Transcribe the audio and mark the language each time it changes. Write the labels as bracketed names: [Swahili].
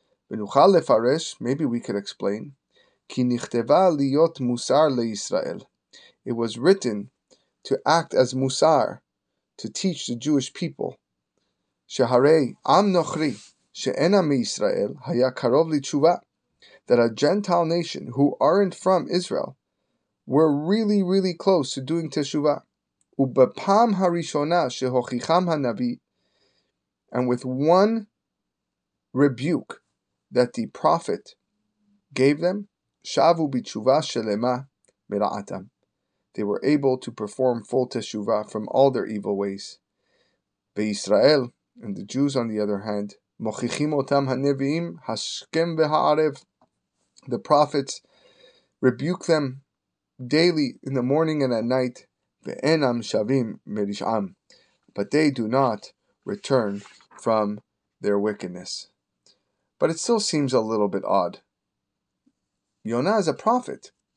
[Hebrew] ונוכל לפרש, [English] maybe we could explain, [Hebrew] כי נכתבה להיות מוסר לישראל. [English] It was written to act as מוסר, to teach the Jewish people. [Hebrew] שהרי עם נוכרי, שאינה מישראל, היה קרוב לתשובה, [English] that a Gentile nation who aren't from Israel were really, really close to doing teshuvah. [Hebrew] ובפעם הראשונה שהוכיחם הנביא, [English] and with one rebuke that the prophet gave them, [Hebrew] שבו בתשובה שלמה מרעתם. [English] They were able to perform full teshuvah from all their evil ways. [Hebrew] בישראל, [English] and the Jews on the other hand, [Hebrew] מוכיחים אותם הנביאים השכם והערב. [English] The prophets rebuke them daily in the morning and at night, [Hebrew] ve'enam shavim merish'am, [English] but they do not return from their wickedness. But it still seems a little bit odd. Yonah is a prophet.